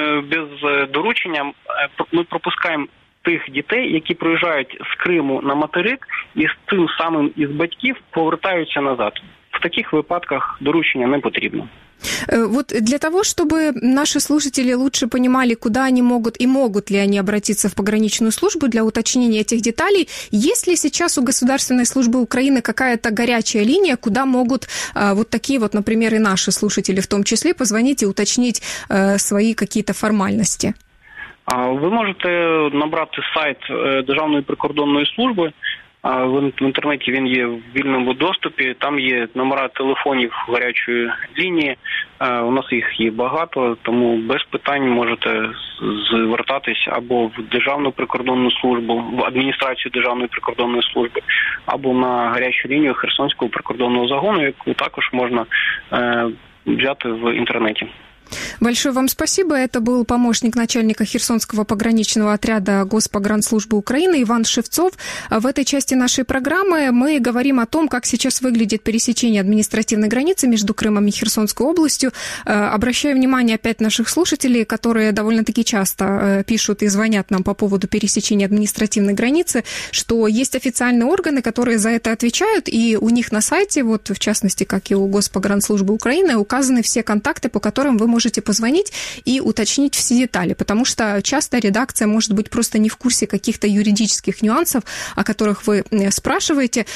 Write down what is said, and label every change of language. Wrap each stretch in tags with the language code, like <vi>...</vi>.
<uk>Без доручення ми пропускаємо тих дітей, які проїжджають з Криму на материк, і з тим самим із батьків повертаються назад. В таких випадках доручення не потрібно.</uk> <ru>Вот для того, чтобы наши слушатели лучше понимали, куда они могут и могут ли они обратиться в пограничную службу для уточнения этих деталей, есть ли сейчас у Государственной службы Украины какая-то горячая линия, куда могут вот такие вот, например, и наши слушатели в том числе позвонить и уточнить свои какие-то формальности? Вы можете набрать сайт Державної прикордонної служби.</ru> <uk>В інтернеті він є в вільному доступі, там є номера телефонів гарячої лінії, у нас їх є багато, тому без питань можете звертатись або в Державну прикордонну службу, в адміністрацію Державної прикордонної служби, або на гарячу лінію Херсонського прикордонного загону, яку також можна взяти в інтернеті.</uk> <ru>Большое вам спасибо. Это был помощник начальника Херсонского пограничного отряда Госпогранслужбы Украины Иван Шевцов. В этой части нашей программы мы говорим о том, как сейчас выглядит пересечение административной границы между Крымом и Херсонской областью. Обращаю внимание опять наших слушателей, которые довольно-таки часто пишут и звонят нам по поводу пересечения административной границы, что есть официальные органы, которые за это отвечают, и у них на сайте, вот в частности, как и у Госпогранслужбы Украины, указаны все контакты, по которым вы можете позвонить и уточнить все детали, потому что часто редакция может быть просто не в курсе каких-то юридических нюансов, о которых вы спрашиваете.</ru>